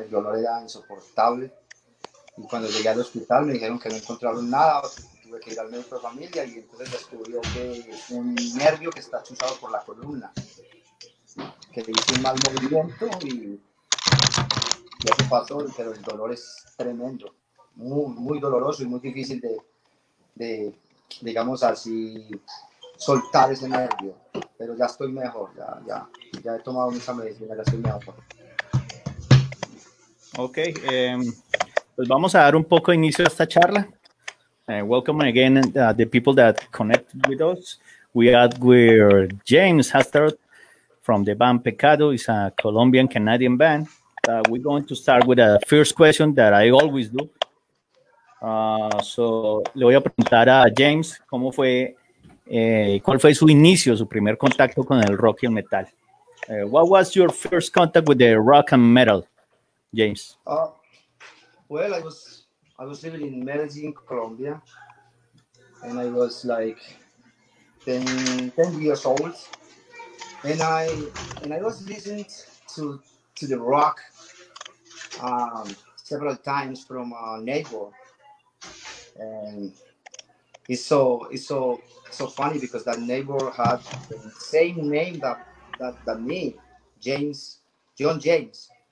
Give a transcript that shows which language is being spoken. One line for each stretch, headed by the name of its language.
Spanish: El dolor era insoportable. Y cuando llegué al hospital me dijeron que no encontraron nada, tuve que ir al médico de familia y entonces descubrió que un nervio que está chuzado por la columna, que le hice un mal movimiento y eso pasó, pero el dolor es tremendo, muy, muy doloroso y muy difícil digamos así, soltar ese nervio. Pero ya estoy mejor, ya he tomado mucha medicina, ya estoy mejor. Ok, pues vamos a dar un poco de inicio a esta charla.
English: Welcome again, the people that connect with us. We are with James Hastert from the band Pecado. It's a Colombian Canadian band. We're going to start with a first question that I always do.
Spanish: So le voy a preguntar a James cómo fue, cuál fue su inicio, su primer contacto con el rock y el metal.
English: What was your first contact with the rock and metal, James? Well, I was living in Medellin, Colombia, and I was like 10 years old, and I was listening to the rock several times from a neighbor, and it's so funny because that neighbor had the same name that me, James, John James.